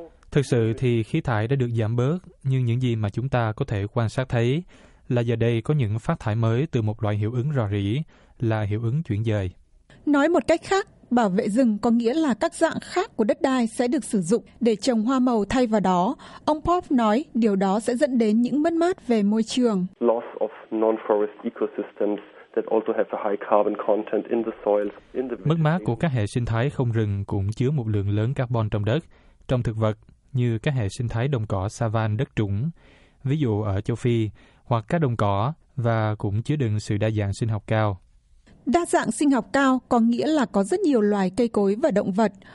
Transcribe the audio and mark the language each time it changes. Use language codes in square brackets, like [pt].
[vi] Thực sự thì khí thải đã được giảm bớt, nhưng những gì mà chúng ta có thể quan sát thấy là giờ đây có những phát thải mới từ một loại hiệu ứng rò rỉ là hiệu ứng chuyển dời. Nói một cách khác, bảo vệ rừng có nghĩa là các dạng khác của đất đai sẽ được sử dụng để trồng hoa màu thay vào đó. Ông Pop nói điều đó sẽ dẫn đến những mất mát về môi trường. [en] Loss of non-forest ecosystems that also have a high carbon content in the soil. [vi] Mất mát của các hệ sinh thái không rừng cũng chứa một lượng lớn carbon trong đất, trong thực vật như các hệ sinh thái đồng cỏ savan đất trũng, ví dụ ở châu Phi, hoặc các đồng cỏ và cũng chứa đựng sự đa dạng sinh học cao. Đa dạng sinh học cao có nghĩa là có rất nhiều loài cây cối và động vật.